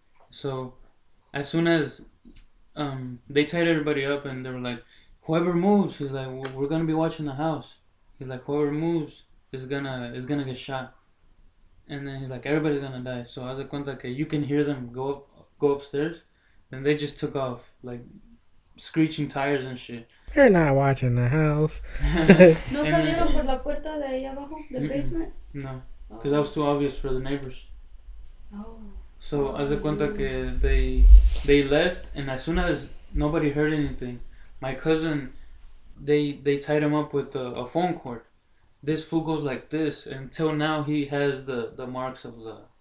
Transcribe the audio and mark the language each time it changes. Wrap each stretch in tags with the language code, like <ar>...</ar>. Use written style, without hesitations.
<en>So as soon as... they tied everybody up and they were like, whoever moves, he's like, we're gonna be watching the house. He's like, whoever moves is gonna get shot. And then he's like, everybody's gonna die. So I was like, okay, you can hear them go upstairs. And they just took off, like, screeching tires and shit. They're not watching the house.</en> <es>No salieron por la puerta de ahí abajo, del basement?</es> <en>No, because that was too obvious for the neighbors. So,</en> <es>haz de cuenta que</es> <en>they left, and as soon as nobody heard anything, my cousin, they tied him up with a phone cord. This fool goes like this. Until now, he has the marks of the...</en>